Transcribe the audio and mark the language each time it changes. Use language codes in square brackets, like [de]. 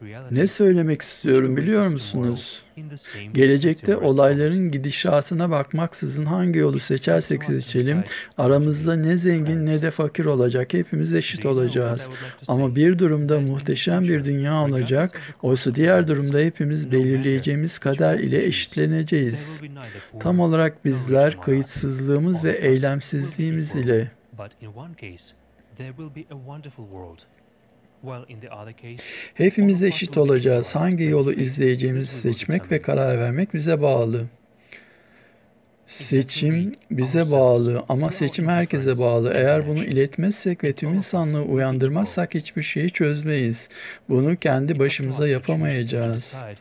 [tr] Ne söylemek istiyorum biliyor musunuz? Gelecekte olayların gidişatına bakmaksızın hangi yolu seçersek seçelim, aramızda ne zengin ne de fakir olacak, hepimiz eşit olacağız. Ama bir durumda muhteşem bir dünya olacak, oysa diğer durumda hepimiz belirleyeceğimiz kader ile eşitleneceğiz. Tam olarak bizler kayıtsızlığımız ve eylemsizliğimiz ile... [en] But in one case, there will be a wonderful world. While in the other case, [tr] hepimiz eşit olacağız. Hangi yolu izleyeceğimizi seçmek ve karar vermek bize bağlı. Seçim bize bağlı ama seçim herkese bağlı. Eğer bunu iletmezsek ve tüm insanlığı uyandırmazsak hiçbir şeyi çözmeyiz. Bunu kendi başımıza yapamayacağız.